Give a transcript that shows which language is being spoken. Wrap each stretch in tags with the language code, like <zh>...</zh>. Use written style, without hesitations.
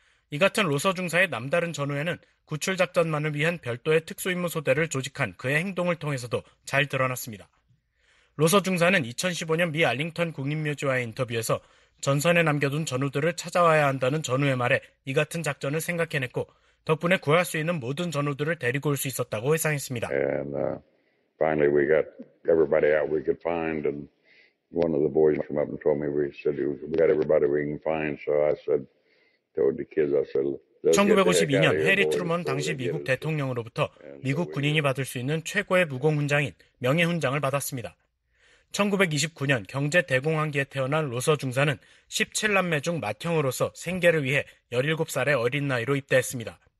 <ko>이 같은 로서 중사의 남다른 전우에는 구출 작전만을 위한 별도의 특수임무 소대를 조직한 그의 행동을 통해서도 잘 드러났습니다. 로서 중사는 2015년 미 알링턴 국립묘지와의 인터뷰에서 전선에 남겨둔 전우들을 찾아와야 한다는 전우의 말에 이 같은 작전을 생각해냈고 덕분에 구할 수 있는 모든 전우들을 데리고 올 수 있었다고 회상했습니다.</ko> <en>Finally, we got everybody out we could find, and one of the boys came up and told me, we said, we got everybody we can find, so I said, told the kids, I said,</en> <ko>1952년 해리 트루먼 당시 미국 대통령으로부터 미국 군인이 받을 수 있는 최고의 무공훈장인 명예훈장을 받았습니다. 1929년 경제 대공황기에 태어난 로서 중사는 17남매 중 맏형으로서 생계를 위해 17살의 어린 나이로 입대했습니다.</ko>